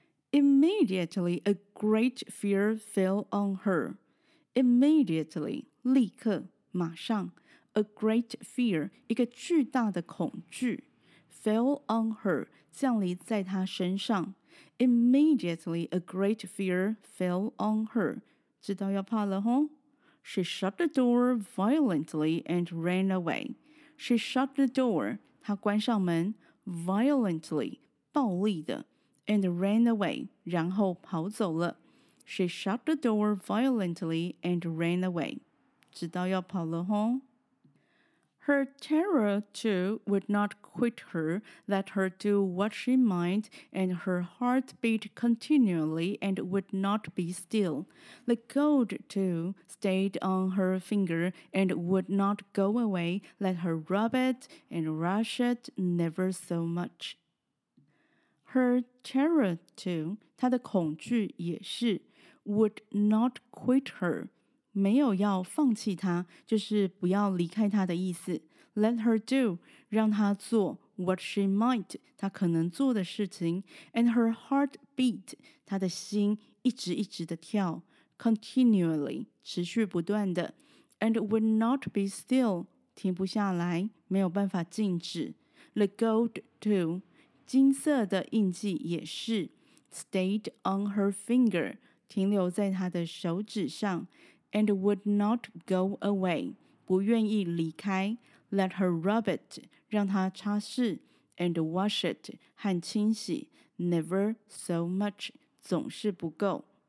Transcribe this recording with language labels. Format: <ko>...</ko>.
<en>Immediately, a great fear fell on her. Immediately,</en> <zh>立刻，马上</zh> <en>A great fear</en> <zh>一个巨大的恐惧</zh> <en>Fell on her</en> <zh>降临在她身上</zh> <en>Immediately a great fear fell on her</en> <zh>知道要怕了吼</zh> <en>She shut the door violently and ran away She shut the door</en> <zh>她关上门</zh> <en>Violently</en> <zh>暴力的</zh> <en>And ran away</en> <zh>然后跑走了</zh> <en>She shut the door violently and ran away.</en> <zh>知道要跑了吼。</zh> <en>Her terror, too, would not quit her, let her do what she might, and her heart beat continually and would not be still. The gold, too, stayed on her finger and would not go away, let her rub it and rush it never so much. Her terror, too,</en> <zh>她的恐惧也是。</zh> <en>Would not quit her,</en> <zh>没有要放弃她，就是不要离开她的意思。</zh> <en>Let her do,</en> <zh>让她做</zh> <en>what she might,</en> <zh>她可能做的事情。</zh> <en>And her heart beat,</en> <zh>她的心一直一直的跳</zh> <en>continually,</en> <zh>持续不断的。</zh> <en>And would not be still,</en> <zh>停不下来，没有办法静止。</zh> <en>The gold too,</en> <zh>金色的印记也是</zh> <en>stayed on her finger,</en> <zh>停留在他的手指上</zh> <en>and would not go away</en> <zh>不愿意离开</zh> <en>let her rub it</en> <zh>让他擦拭</zh> <en>and wash it</en> <zh>和清洗</zh> <en>never so much</en> <zh>总是不够</zh>